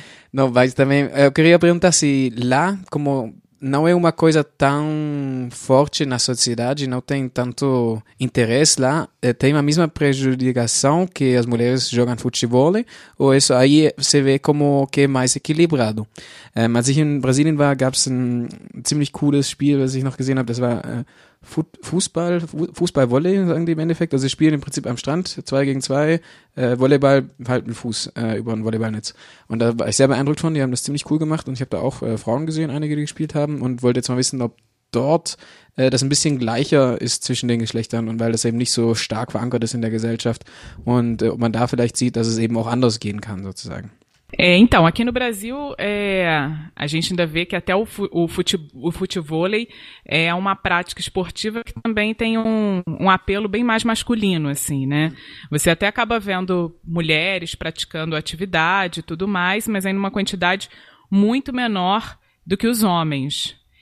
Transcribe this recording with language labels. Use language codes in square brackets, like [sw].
[pt] Não, mas também, eu queria perguntar se lá, como não é uma coisa tão forte na sociedade, não tem tanto interesse lá. Tem a mesma prejudicação que as mulheres jogam futebol, ou isso aí você vê como que é mais equilibrado. [de] Mas ich in Brasilien war, gab es ein ziemlich cooles Spiel, was ich noch gesehen habe, das war Fußball-Volley, sagen die im Endeffekt. Also sie spielen im Prinzip am Strand, 2 gegen 2, Volleyball, halt mit Fuß über ein Volleyballnetz. Und da war ich sehr beeindruckt von, die haben das ziemlich cool gemacht und ich habe da auch Frauen gesehen, einige, die gespielt haben und wollte jetzt mal wissen, ob dort das ein bisschen gleicher ist zwischen den Geschlechtern und weil das eben nicht so stark verankert ist in der Gesellschaft und ob man da vielleicht sieht, dass es eben auch anders gehen kann sozusagen. [pt] É, então, aqui no Brasil, a gente ainda vê que até o futevôlei é uma prática esportiva que também tem um apelo bem mais masculino, assim, né? Você até acaba vendo mulheres praticando atividade e tudo mais, mas em uma quantidade muito menor do que os homens.